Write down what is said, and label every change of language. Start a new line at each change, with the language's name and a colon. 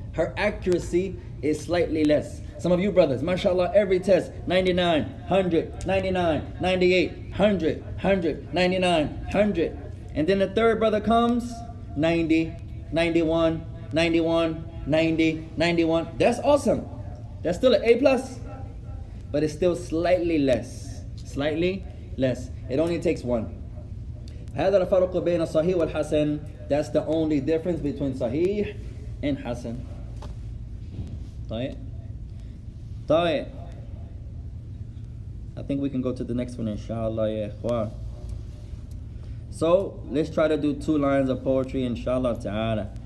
English: Her accuracy is slightly less. Some of you brothers, mashallah, every test, 99, 100, 99, 98, 100, 100, 99, 100. And then the third brother comes, 90, 91, 91, 90, 91. That's awesome. That's still an A plus, but it's still slightly less. Slightly less. It only takes one.
Arabic: هذا الفرق بين الصحيح والحسن.
English: That's the only difference between صحيح and حسن.
Arabic: طيب.
English: I think we can go to the next one, inshallah, ya ikhwan. So, let's try to do two lines of poetry, inshallah ta'ala.